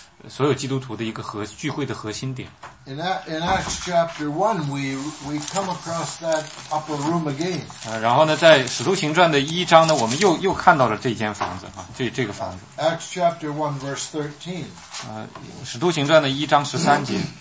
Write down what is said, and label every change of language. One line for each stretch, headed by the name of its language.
Chinese: 所有基督徒的一个核聚会的核心点。
English: In Acts chapter 1, we come across that upper room again.
Chinese: 然后呢，在《使徒行传》的一章呢，我们又看到了这间房子啊，这个房子。
English: Acts chapter 1, verse 13.
Chinese: 《使徒行传》的一章十三节。